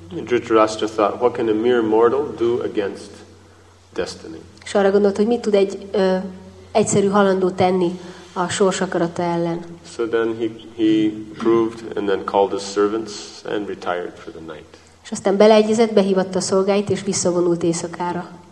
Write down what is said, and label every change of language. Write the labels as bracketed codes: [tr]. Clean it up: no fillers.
[en] Dhritarashtra thought, what can a mere mortal do against destiny? [hu] És arra gondolt, hogy mit tud egy egyszerű halandó tenni a sors akarata ellen. [en] So then he approved and then called his servants and retired for the night. És aztán beleegyezett, behívatta a szolgáit és visszavonult éjszakára.